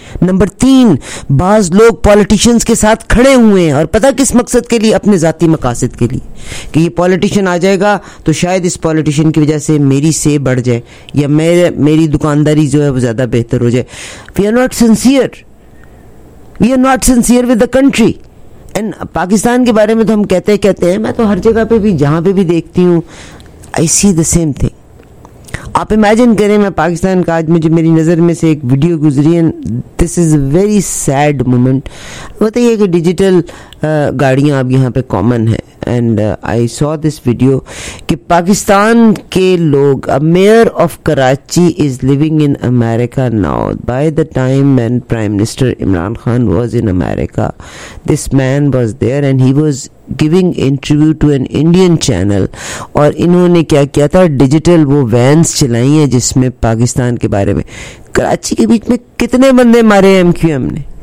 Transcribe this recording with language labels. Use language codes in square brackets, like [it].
[ur] Number تین, بعض لوگ پالیٹیشینس کے ساتھ کھڑے ہوئے ہیں اور پتہ کس مقصد کے لیے, اپنے ذاتی مقاصد کے لیے, کہ یہ پالیٹیشین آ جائے گا تو شاید اس پالیٹیشین کی وجہ سے میری سیب بڑھ جائے یا میری دکانداری جو ہے وہ زیادہ بہتر ہو جائے. [en] We are not sincere with the country. [ur] And Pakistan کے بارے میں تو ہم کہتے ہیں, میں تو ہر جگہ پہ بھی جہاں پہ بھی دیکھتی ہوں [en] I see the same thing. [ur] آپ امیجن کریں, میں پاکستان کا آج مجھے میری نظر میں سے ایک ویڈیو گزری ہے, [en] This is a very sad moment. [ur] بتائیے کہ ڈیجیٹل گاڑیاں اب یہاں پہ کامن ہیں, [en] and I saw this video [ur] کہ پاکستان کے لوگ, [en] mayor of Karachi is living in America now, by the time man prime minister Imran Khan was in America this man was there and he was giving interview to an Indian channel, [ur] اور انہوں نے کیا کیا تھا, digital وہ وینس چلائی ہیں جس میں پاکستان کے بارے میں, کراچی کے بیچ میں کتنے بندے مارے ایم کیو ایم نے.